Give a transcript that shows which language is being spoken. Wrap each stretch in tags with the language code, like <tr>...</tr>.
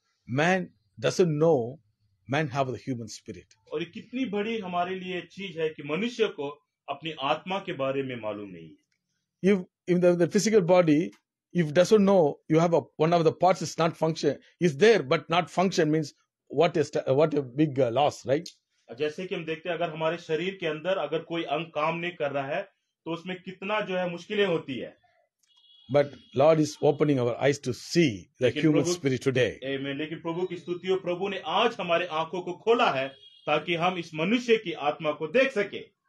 <en>Man doesn't know man have the human spirit.</en> <hi>और ये कितनी बड़ी हमारे लिए चीज है कि मनुष्य को अपनी आत्मा के बारे में मालूम नहीं.</hi> <en>If in the physical body, if doesn't know you have a one of the parts is not function, is there but not function, means what a big loss, right?</en> <hi>जैसे कि हम देखते हैं अगर हमारे शरीर के अंदर अगर कोई अंग काम नहीं कर रहा है तो उसमें कितना जो है मुश्किलें होती है.</hi> <en>But lord is opening our eyes to see the human spirit today.</en> <hi>आमेन. लेकिन प्रभु की स्तुति हो, प्रभु ने आज हमारे आंखों को खोला है ताकि हम इस मनुष्य की आत्मा को देख सके.</hi>